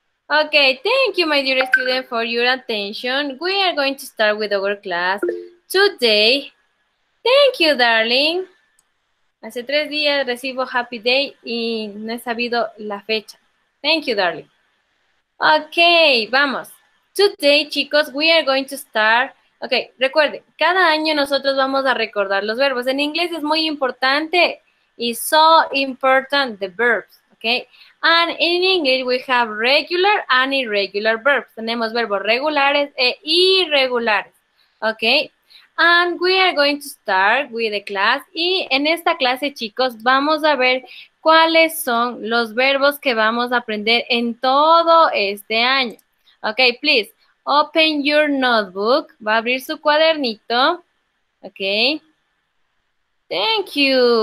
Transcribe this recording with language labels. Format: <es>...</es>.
<en>Okay, thank you, my dear student, for your attention. We are going to start with our class today. Thank you, darling.</en> <es>Hace tres días recibo</es> <en>happy day</en> <es>y no he sabido la fecha.</es> <en>Thank you, darling. Okay, vamos. Today, chicos, we are going to start.</en> <es>Okay, recuerde, cada año nosotros vamos a recordar los verbos. En inglés es muy importante.</es> <en>It's so important, the verbs, okay? And in English, we have regular and irregular verbs.</en> <es>Tenemos verbos regulares e irregulares, okay?</es> <en>And we are going to start with the class.</en> <es>Y en esta clase, chicos, vamos a ver cuáles son los verbos que vamos a aprender en todo este año.</es> <en>Okay, please, open your notebook.</en> <es>Va a abrir su cuadernito,</es> <en>okay? Thank you.</en>